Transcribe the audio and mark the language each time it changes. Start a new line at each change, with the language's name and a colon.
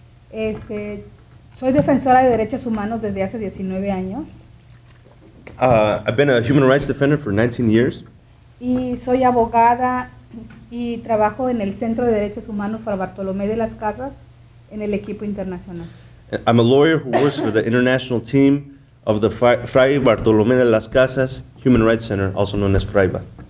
Spanish: Soy defensora de derechos humanos desde hace 19 años.
English: I've been a human rights defender for 19 years.
Spanish: Y soy abogada y trabajo en el Centro de Derechos Humanos para Bartolomé de las Casas en el equipo internacional.
English: I'm a lawyer who works for the international team of the Fray Bartolomé de las Casas Human Rights Center, also known as FRAIBA.